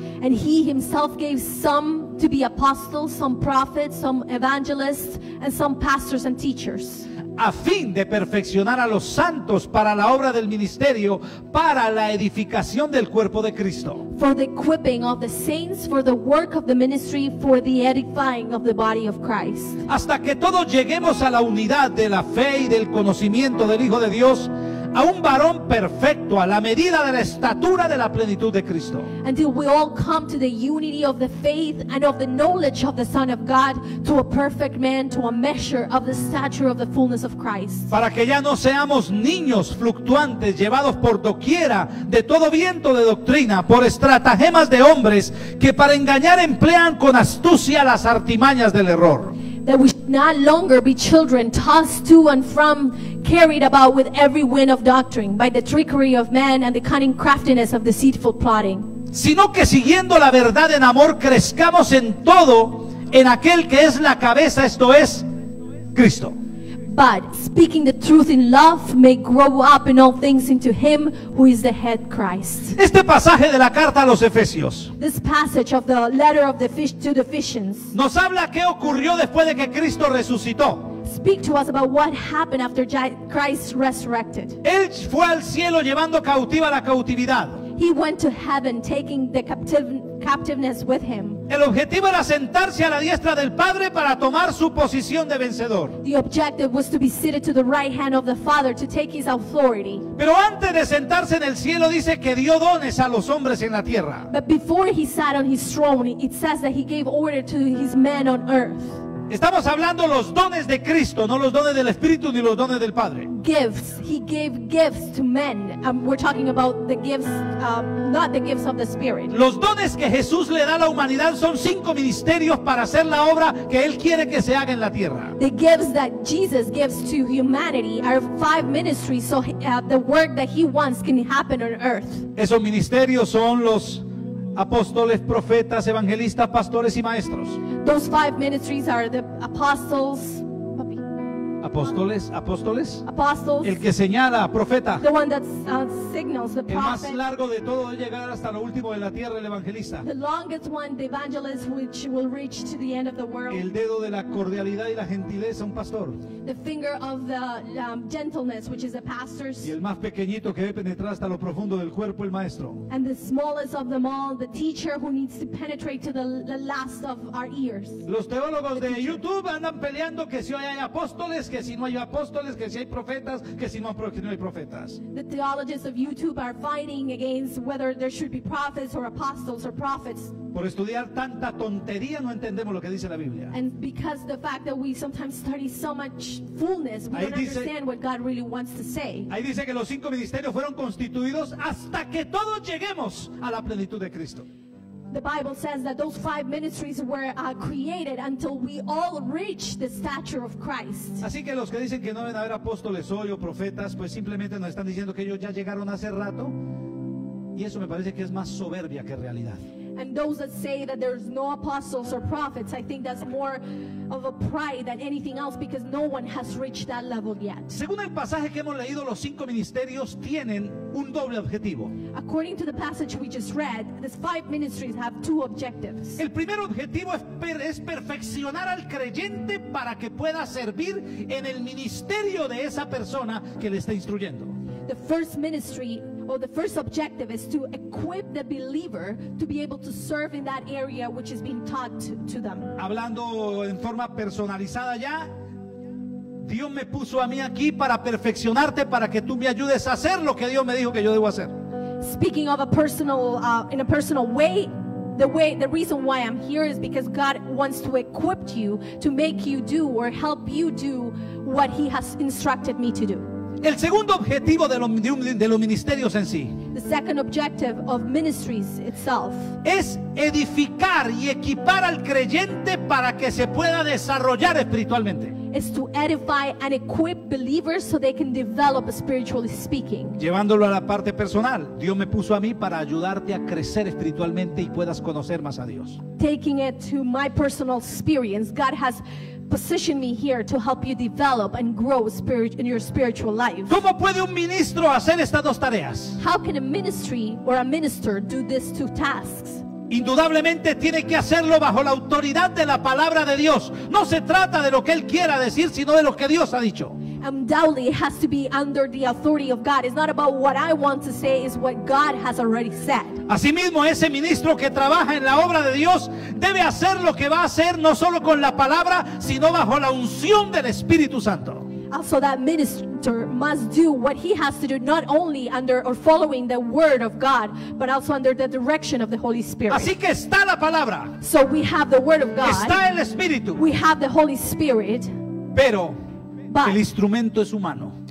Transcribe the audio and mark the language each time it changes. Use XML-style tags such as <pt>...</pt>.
<en>And he himself gave some to be apostles, some prophets, some evangelists, and some pastors and teachers.</en> <es>A fin de perfeccionar a los santos para la obra del ministerio, para la edificación del cuerpo de Cristo.</es> <en>For the equipping of the saints, for the work of the ministry, for the edifying of the body of Christ.</en> <es>Hasta que todos lleguemos a la unidad de la fe y del conocimiento del Hijo de Dios, a un varón perfecto a la medida de la estatura de la plenitud de Cristo.</es> <en>Until we all come to the unity of the faith and of the knowledge of the Son of God, to a perfect man, to a measure of the stature of the fullness of Christ.</en> <es>Para que ya no seamos niños fluctuantes llevados por doquiera de todo viento de doctrina, por estratagemas de hombres que para engañar emplean con astucia las artimañas del error.</es> <en>That we should not longer be children tossed to and from, carried about with every wind of doctrine, by the trickery of men and the cunning craftiness of deceitful plotting.</en> <es>Sino que siguiendo la verdad en amor crezcamos en todo en aquel que es la cabeza, esto es Cristo.</es> <en>But speaking the truth in love, may grow up in all things into Him who is the head, Christ.</en> <es>Este pasaje de la carta a los Efesios.</es> <en>This passage of the letter of the to the Ephesians.</en> <es>Nos habla qué ocurrió después de que Cristo resucitó.</es> <en>Speak to us about what happened after Christ resurrected.</en> <es>Él fue al cielo llevando cautiva la cautividad.</es> <en>He went to heaven taking the captiveness with him.</en> <es>El objetivo era sentarse a la diestra del Padre para tomar su posición de vencedor.</es> <en>The objective was to be seated to the right hand of the Father to take his authority.</en> <es>Pero antes de sentarse en el cielo dice que dio dones a los hombres en la tierra.</es> <en>But before he sat on his throne, it says that he gave order to his men on earth.</en> <es>Estamos hablando los dones de Cristo, no los dones del Espíritu ni los dones del Padre.</es> <en>Gifts. He gave gifts to men. We're talking about the gifts, not the gifts of the Spirit.</en> <es>Los dones que Jesús le da a la humanidad son cinco ministerios para hacer la obra que Él quiere que se haga en la tierra.</es> <en>The gifts that Jesus gives to humanity are five ministries, so the work that He wants can happen on earth.</en> <es>Esos ministerios son los apóstoles, profetas, evangelistas, pastores y maestros.</es> <en>Those five ministries are the apostles.</en> <es>Apóstoles, apóstoles.</es> <en>Apostles.</en> <es>El que señala, profeta.</es> <en>The one that signals, the prophet.</en> <es>El más largo de todo es llegar hasta lo último de la tierra, el evangelista.</es> <en>The longest one, the evangelist, which will reach to the end of the world.</en> <es>El dedo de la cordialidad y la gentileza, un pastor.</es> <en>The finger of the gentleness, which is a pastor.</en> <es>Y el más pequeñito que debe penetrar hasta lo profundo del cuerpo, el maestro.</es> <en>And the smallest of them all, the teacher who needs to penetrate to the last of our ears.</en> <es>Los teólogos de YouTube andan peleando que si hoy hay apóstoles, que si no hay apóstoles, que si hay profetas, que si no hay profetas.</es> <en>The theologists of YouTube are fighting against whether there should be prophets or apostles or prophets.</en> <es>Por estudiar tanta tontería no entendemos lo que dice la Biblia.</es> <en>And because the fact that we sometimes study so much fullness, we don't understand what God really wants to say.</en> <es>Ahí dice que los cinco ministerios fueron constituidos hasta que todos lleguemos a la plenitud de Cristo.</es> <en>The Bible says that those five ministries were created until we all reach the stature of Christ.</en> <es>Así que los que dicen que no deben haber apóstoles hoy o profetas, pues simplemente nos están diciendo que ellos ya llegaron hace rato, y eso me parece que es más soberbia que realidad.</es> <en>And those that say that there's no apostles or prophets, I think that's more of a pride than anything else, because no one has reached that level yet.</en> <es>Según el pasaje que hemos leído, los cinco ministerios tienen un doble objetivo.</es> <en>According to the passage we just read, these five ministries have two objectives.</en> <es>El primer objetivo es perfeccionar al creyente para que pueda servir en el ministerio de esa persona que le está instruyendo.</es> <en>The first ministry, well, the first objective is to equip the believer to be able to serve in that area which is being taught to them.</en> <es>Hablando en forma personalizada ya, Dios me puso a mí aquí para perfeccionarte, para que tú me ayudes a hacer lo que Dios me dijo que yo debo hacer.</es> <en>Speaking of a personal, in a personal way, the reason why I'm here is because God wants to equip you to make you do or help you do what He has instructed me to do.</en> <es>El segundo objetivo de los ministerios en sí,</es> <en>the second objective of ministries itself,</en> <es>es edificar y equipar al creyente para que se pueda desarrollar espiritualmente.</es> <en>Is to edify and equip believers so they can develop spiritually speaking.</en> <es>Llevándolo a la parte personal, Dios me puso a mí para ayudarte a crecer espiritualmente y puedas conocer más a Dios.</es> <en>Taking it to my personal experience, God has position me here to help you develop and grow spirit in your spiritual life.</en> <es>¿Cómo puede un ministro hacer estas dos tareas?</es> <en>How can a ministry or a minister do these two tasks?</en> <es>Indudablemente tiene que hacerlo bajo la autoridad de la palabra de Dios. No se trata de lo que él quiera decir, sino de lo que Dios ha dicho.</es> <en>Undoubtedly, it has to be under the authority of God. It's not about what I want to say, it's what God has already said.</en> <es>Asimismo, ese ministro que trabaja en la obra de Dios debe hacer lo que va a hacer, no solo con la palabra, sino bajo la unción del Espíritu Santo.</es> <en>Also, that ministry, mentor must do what he has to do, not only under or following the word of God, but also under the direction of the Holy Spirit.</en> <es>Así que está la palabra.</es> <en>So we have the word of God.</en> <es>Está el Espíritu.</es> <en>We have the Holy Spirit.</en> <es>Pero el instrumento es humano.</es>